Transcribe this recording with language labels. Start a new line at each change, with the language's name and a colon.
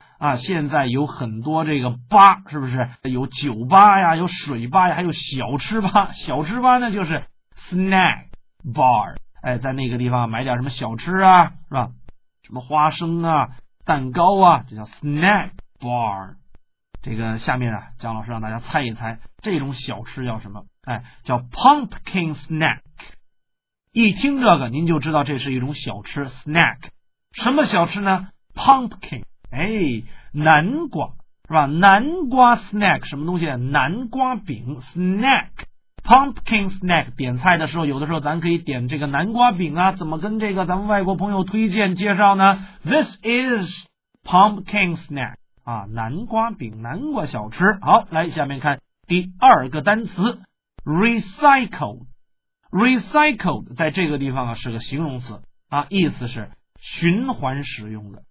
Chinese: 啊，现在有很多这个吧，是不是？有酒吧呀，有水吧呀，还有小吃吧。小吃吧呢，就是 snack bar， 哎，在那个地方买点什么小吃啊，是吧？什么花生啊，蛋糕啊，这叫 snack bar。这个下面啊，姜老师让大家猜一猜，这种小吃叫什么？哎，叫 pumpkin snack。一听这个，您就知道这是一种小吃 snack。什么小吃呢 ？pumpkin。哎，南瓜是吧？南瓜 snack 什么东西？南瓜饼 snack， pumpkin snack。点菜的时候，有的时候咱可以点这个南瓜饼啊。怎么跟这个咱们外国朋友推荐介绍呢 ？
English: This is pumpkin snack
Chinese: 啊，南瓜饼，南瓜小吃。好，来下面看第二个单词 ，recycled， 在这个地方啊是个形容词啊，意思是循环使用的。